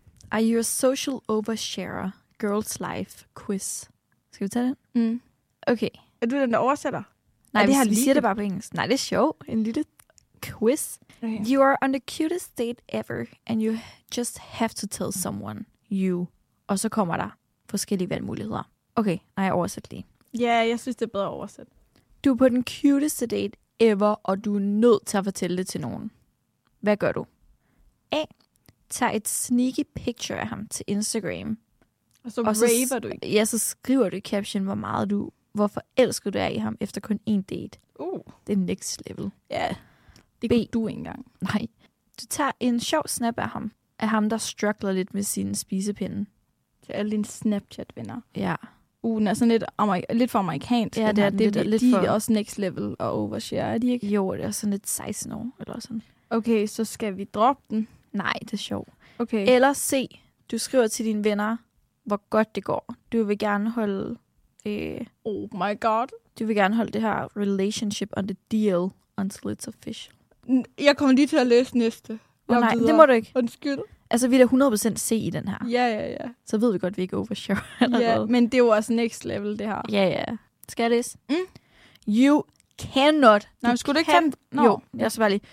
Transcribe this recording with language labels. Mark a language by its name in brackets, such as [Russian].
[English] Are you a social oversharer? [Danish] Girls life quiz. Skal vi tage den? Mm. Okay. Er du den, der oversætter? Nej, det her, vi siger det bare på engelsk. Nej, det er sjovt. En lille quiz. Okay. [English] You are on the cutest date ever, and you just have to tell someone you. [Danish] Og så kommer der forskellige valgmuligheder. Okay, nej, jeg oversætter lige. Ja, yeah, jeg synes, det er bedre oversætte. Du er på den cuteste date ever, og du er nødt til at fortælle det til nogen. Hvad gør du? A. Tag et sneaky picture af ham til Instagram. Og så raver du ikke? Ja, så skriver du i caption, hvor meget du, hvor forelsket du er i ham efter kun én date. Det er next level. Ja, yeah. Det B, kunne du ikke engang. Nej. Du tager en sjov snap af ham. Af ham, der struggler lidt med sin spisepinde. Til alle dine Snapchat-venner. Ja. Den er sådan lidt, lidt for amerikansk. Ja, det er lidt, lidt de for... De er også next level og overshare, er de ikke? Jo, det er sådan lidt 16 år eller sådan. Okay, så skal vi droppe den? Nej, det er sjovt. Okay. Eller C, du skriver til dine venner, hvor godt det går. Du vil gerne holde... [English] Oh my god. [Danish] Du vil gerne holde det her [English] relationship on the deal until it's official. [Danish] Jeg kommer lige til at læse næste. Nej, det må du ikke. Undskyld. Altså, vi er da 100% C i den her. Ja, ja, ja. Så ved vi godt, at vi ikke overshare. Ja, men det er jo også next level, det her. Ja, ja. Skal jeg læse? Mm. [English] You... Cannot. [Danish] Nej, du skulle kan... du ikke tænke? Jo, jeg svarer lige.